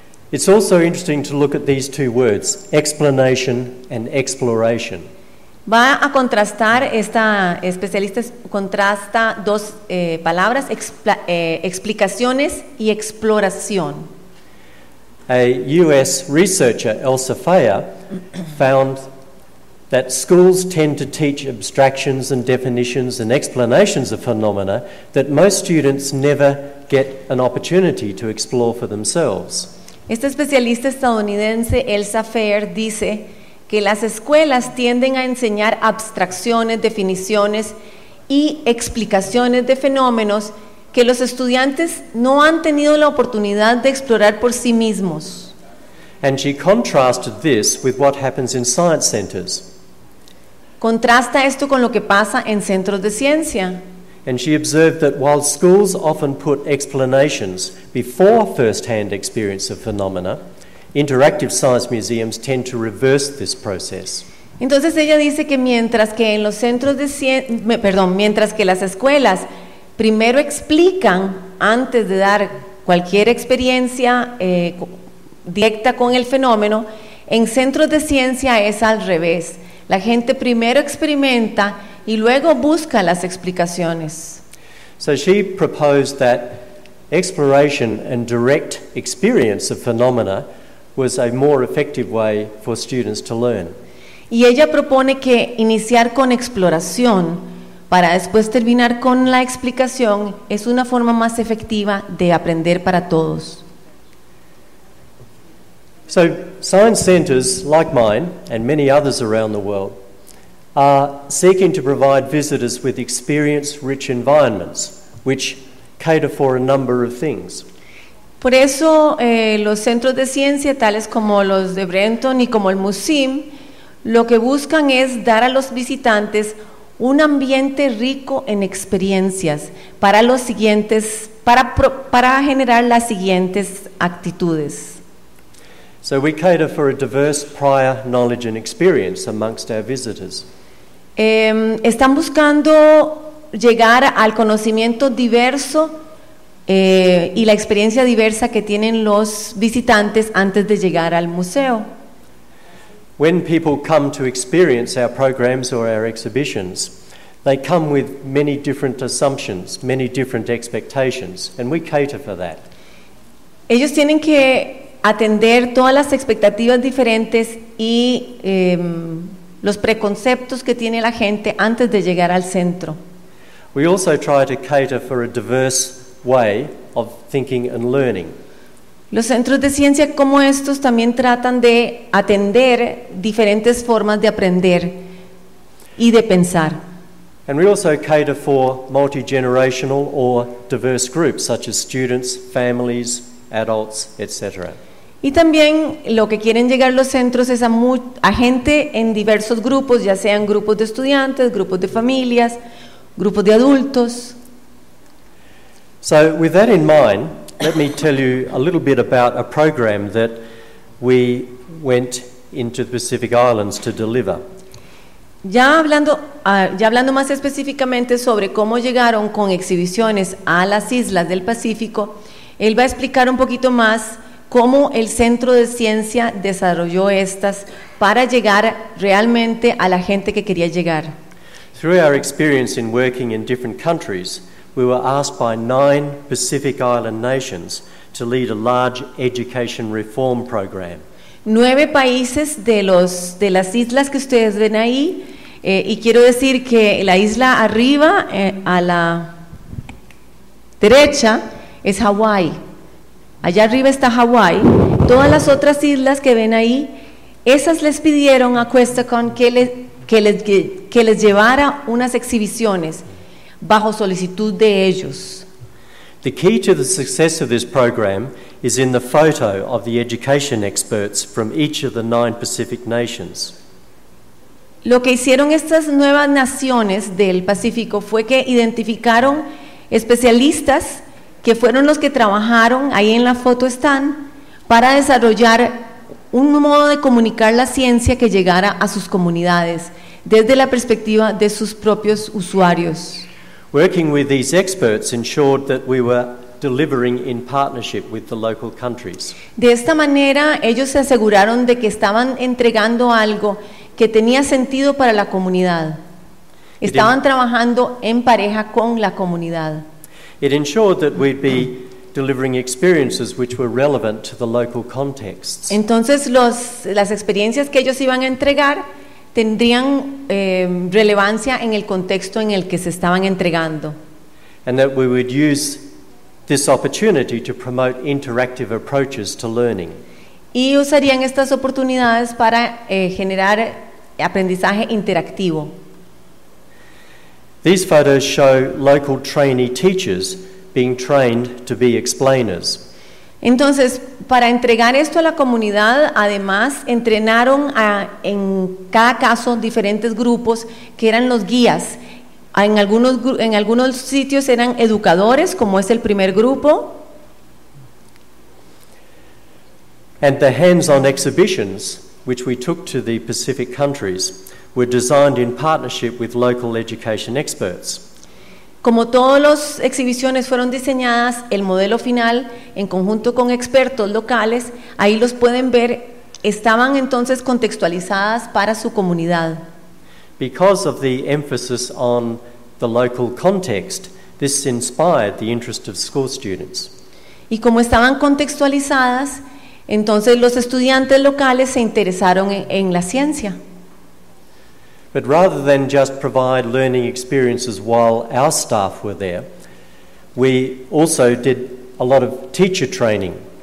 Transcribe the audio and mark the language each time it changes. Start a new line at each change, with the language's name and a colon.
English: It's also interesting to look at these two words, explanation and exploration.
Spanish: Va a contrastar, esta especialista contrasta dos palabras, explicaciones y exploración.
English: A U.S. researcher, Elsa Fayer, found that schools tend to teach abstractions and definitions and explanations of phenomena that most students never get an opportunity to explore for themselves.
Spanish: Esta especialista estadounidense, Elsa Fayer, dice que las escuelas tienden a enseñar abstracciones, definiciones y explicaciones de fenómenos que los estudiantes no han tenido la oportunidad de explorar por sí mismos.
English: And she contrasted this with what happens in science centers.
Spanish: Contrasta esto con lo que pasa en centros de ciencia.
English: And she observed that while schools often put explanations before first-hand experience of phenomena, interactive science museums tend to reverse this process.
Spanish: Entonces ella dice que mientras que en los centros de mientras que las escuelas primero explican antes de dar cualquier experiencia directa con el fenómeno, en centros de ciencia es al revés. La gente primero experimenta y luego busca las explicaciones.
English: So she proposed that exploration and direct experience of phenomena was a more effective way for students to learn.
Spanish: Y ella propone que iniciar con exploración para después terminar con la explicación es una forma más efectiva de aprender para todos.
English: So, science centers like mine and many others around the world are seeking to provide visitors with experience-rich environments which cater for a number of things.
Spanish: Por eso los centros de ciencia, tales como los de Brenton y como el MUSIM, lo que buscan es dar a los visitantes un ambiente rico en experiencias para los siguientes, para generar las siguientes actitudes.
English: So we cater for a diverse prior knowledge and experience amongst our visitors.
Spanish: Están buscando llegar al conocimiento diverso y la experiencia diversa que tienen los visitantes antes de llegar al museo.
English: When people come to experience our programs or our exhibitions, they come with many different assumptions, many different expectations, and we cater for that.
Spanish: Ellos tienen que atender todas las expectativas diferentes y los preconceptos que tiene la gente antes de llegar al centro.
English: We also try to cater for a diverse way of thinking and learning.
Spanish: Los centros de ciencia como estos también tratan de atender diferentes formas de aprender y de pensar.
English: And we also cater for multi-generational or diverse groups such as students, families, adults, etc.
Spanish: Y también lo que quieren llegar los centros es a gente en diversos grupos, ya sean grupos de estudiantes, grupos de familias, grupos de adultos.
English: So with that in mind, let me tell you a little bit about a program that we went into the Pacific Islands to deliver.
Spanish: Ya hablando más específicamente sobre cómo llegaron con exhibiciones a las islas del Pacífico, él va a explicar un poquito más cómo el Centro de Ciencia desarrolló estas para llegar realmente a la gente que quería llegar.
English: Through our experience in working in different countries, we were asked by 9 Pacific Island nations to lead a large education reform program.
Spanish: 9 países de las islas que ustedes ven ahí, y quiero decir que la isla arriba a la derecha es Hawái. Allá arriba está Hawái. Todas las otras islas que ven ahí, esas les pidieron a Questacon que les que les llevara unas exhibiciones bajo solicitud de ellos.
English: The key to the success of this program is in the photo of the education experts from each of the 9 Pacific nations.
Spanish: Lo que hicieron estas nuevas naciones del Pacífico fue que identificaron especialistas que fueron los que trabajaron, ahí en la foto están, para desarrollar un modo de comunicar la ciencia que llegara a sus comunidades desde la perspectiva de sus propios usuarios.
English: Working with these experts ensured that we were delivering in partnership with the local countries.
Spanish: De esta manera, ellos se aseguraron de que estaban entregando algo que tenía sentido para la comunidad. Estaban trabajando en pareja con la comunidad.
English: It ensured that we'd be delivering experiences which were relevant to the local context.
Spanish: Entonces, las experiencias que ellos iban a entregar tendrían relevancia en el contexto en el que se estaban entregando.
English: And that we would use this opportunity to promote interactive approaches to learning.
Spanish: Y usarían estas oportunidades para generar aprendizaje interactivo.
English: These photos show local trainee teachers being trained to be explainers.
Spanish: Entonces, para entregar esto a la comunidad, además entrenaron en cada caso diferentes grupos que eran los guías. En algunos sitios eran educadores, como es el primer grupo.
English: And the hands-on exhibitions, which we took to the Pacific countries, were designed in partnership with local education experts.
Spanish: Como todas las exhibiciones fueron diseñadas, el modelo final, en conjunto con expertos locales, ahí los pueden ver, estaban entonces contextualizadas para su comunidad.
English: Because of the emphasis on the local context, this inspired the interest of school students.
Spanish: Y como estaban contextualizadas, entonces los estudiantes locales se interesaron en la ciencia.
English: But rather than just provide learning experiences while our staff were there, we also did a lot of teacher training.